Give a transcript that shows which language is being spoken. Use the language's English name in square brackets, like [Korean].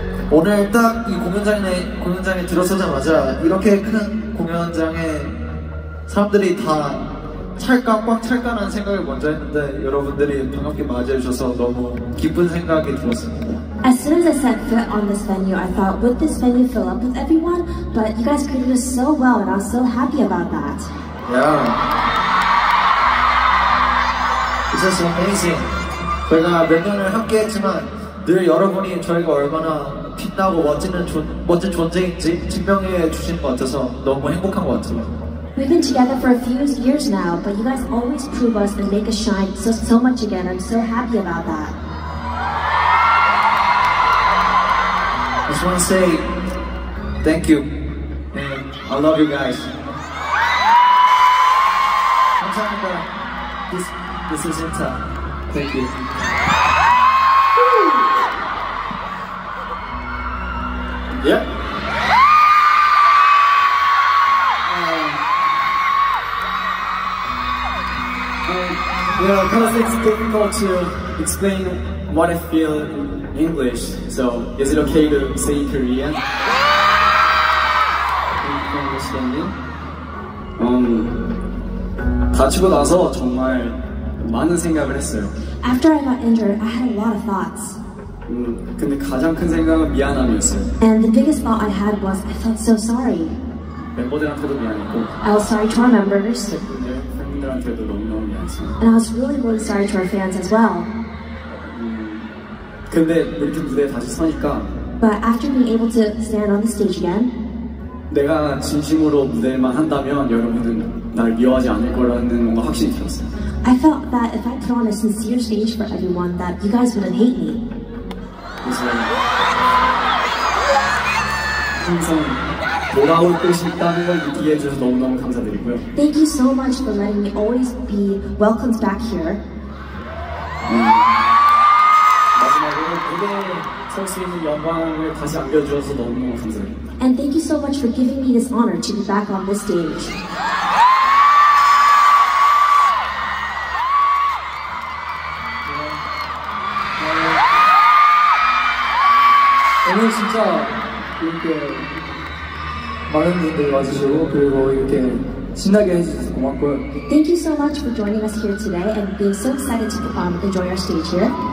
[Korean] 오늘 딱 이 공연장에 들어서자마자 이렇게 큰 공연장에 사람들이 다 찰까 꽉 찰까라는 생각을 먼저 했는데 여러분들이 반갑게 맞이해주셔서 너무 기쁜 생각이 들었습니다. [English] As soon as I set foot on this venue, I thought, would this venue fill up with everyone? But you guys greeted us so well, and I was so happy about that. Yeah. It's just amazing. [Korean] 저희가 몇 년을 함께 했지만 늘 여러분이 저희가 얼마나 빛나고 멋진 존재인지 증명해 주신 것 같아서 너무 행복한 것 같아요. [English] We've been together for a few years now, but you guys always prove us and make us shine so much again. I'm so happy about that. I just want to say thank you and I love you guys. [Korean] 감사합니다. [English] This is Intak. Thank you. Yep. You know, because it's difficult to explain what I feel in English, so is it okay to say in Korean? Can you understand me? [Korean] 다치고 나서 정말 많은 생각을 했어요. [English] After I got injured, I had a lot of thoughts. [Korean] 근데 가장 큰 생각은 미안함이었어요. [English] And the biggest thought I had was I felt so sorry. [Korean] 멤버들한테도 미안했고. [English] I was sorry to our members. [Korean] 팬분들한테도 너무너무 미안했어요. [English] And I was really, really sorry to our fans as well. [Korean] 근데 이렇게 무대에 다시 서니까. [English] But after being able to stand on the stage again. [Korean] 내가 진심으로 무대만 한다면 여러분은 날 미워하지 않을 거라는 뭔가 확신이 들었어요. [English] I felt that if I put on a sincere stage for everyone, that you guys wouldn't hate me. [Korean] 항상 돌아올 곳이 있다는 걸 느끼게 해주셔서 너무너무 감사드리고요. [English] Thank you so much for letting me always be welcomed back here. [Korean] 마지막으로 무대에 설 수 있는 영광을 다시 안겨주셔서 너무너무 감사드립니다. [English] And thank you so much for giving me this honor to be back on this stage. [Korean] 오늘 진짜 이렇게 많은 분들 와주시고 그리고 이렇게 신나게 해주셔서 고맙고요. [English] Thank you so much for joining us here today and being so excited to perform and enjoy our stage here.